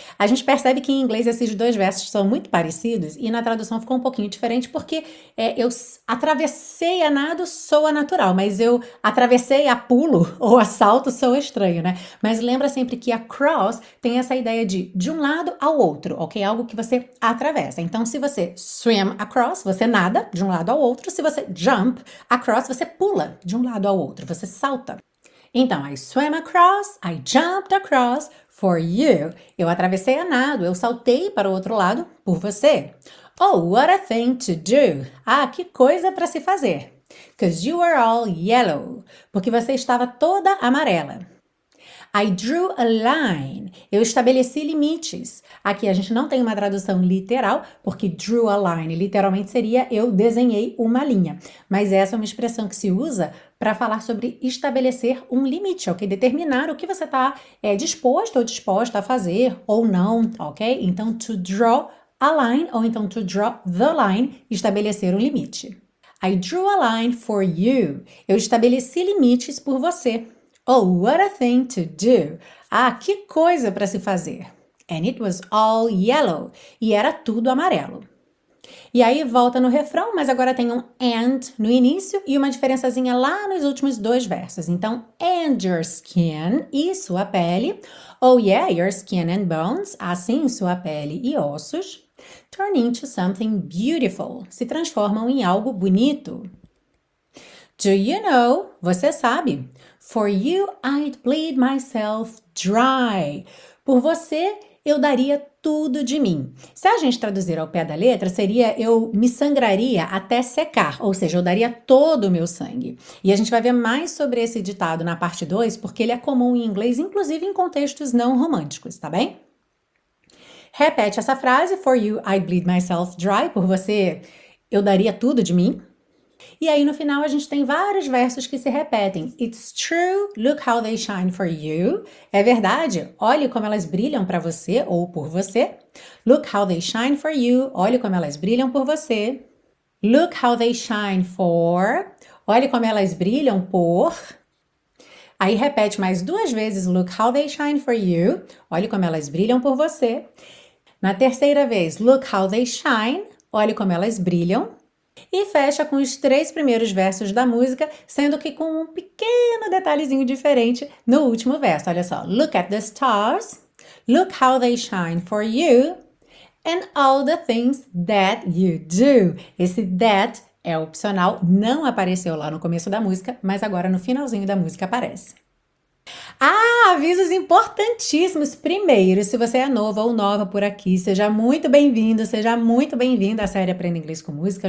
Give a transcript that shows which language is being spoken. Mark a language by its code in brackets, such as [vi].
[pt] A gente percebe que em inglês esses dois versos são muito parecidos e na tradução ficou um pouquinho diferente porque eu atravessei a nado soa natural, mas eu atravessei a pulo ou a salto soa estranho, né? Mas lembra sempre que across tem essa ideia de um lado ao outro, ok? Algo que você atravessa. Então, se você swim across, você nada de um lado ao outro. Se você jump across, você pula de um lado ao outro, você salta. Então, [en] I swam across, I jumped across for you. [pt] Eu atravessei a nado, eu saltei para o outro lado por você. [en] Oh, what a thing to do. [pt] Ah, que coisa para se fazer. [en] Because you were all yellow. [pt] Porque você estava toda amarela. [en] I drew a line. [pt] Eu estabeleci limites. Aqui a gente não tem uma tradução literal, porque drew a line literalmente seria eu desenhei uma linha. Mas essa é uma expressão que se usa para falar sobre estabelecer um limite, ok? Determinar o que você está disposto ou disposta a fazer ou não, ok? [en] Então, to draw a line [pt] ou então [en] to draw the line, [pt] estabelecer um limite. [en] I drew a line for you. [pt] Eu estabeleci limites por você. [en] Oh, what a thing to do. [pt] Ah, que coisa para se fazer. [en] And it was all yellow. [pt] E era tudo amarelo. E aí volta no refrão, mas agora tem um and no início e uma diferençazinha lá nos últimos dois versos. Então, [en] and your skin [pt] e sua pele. [en] Oh yeah, your skin and bones. [pt] Assim, sua pele e ossos. [en] Turn into something beautiful. [pt] Se transformam em algo bonito. [en] Do you know? [pt] Você sabe. [en] For you, I'd bleed myself dry. [pt] Por você, eu daria tudo de mim. Se a gente traduzir ao pé da letra, seria eu me sangraria até secar. Ou seja, eu daria todo o meu sangue. E a gente vai ver mais sobre esse ditado na parte 2, porque ele é comum em inglês, inclusive em contextos não românticos, tá bem? Repete essa frase. [en] For you, I'd bleed myself dry. [pt] Por você, eu daria tudo de mim. E aí, no final, a gente tem vários versos que se repetem. [en] It's true, look how they shine for you. [pt] É verdade, olhe como elas brilham para você ou por você. [en] Look how they shine for you, [pt] olhe como elas brilham por você. [en] Look how they shine for, [pt] olhe como elas brilham por. Aí repete mais duas vezes, [en] look how they shine for you, [pt] olhe como elas brilham por você. Na terceira vez, [en] look how they shine, [pt] olhe como elas brilham. E fecha com os três primeiros versos da música, sendo que com um pequeno detalhezinho diferente no último verso. Olha só. [en] Look at the stars, look how they shine for you, and all the things that you do. [pt] Esse that é opcional, não apareceu lá no começo da música, mas agora no finalzinho da música aparece. Ah, avisos importantíssimos. Primeiro, se você é novo ou nova por aqui, seja muito bem-vindo, seja muito bem-vinda à série Aprenda Inglês com Música.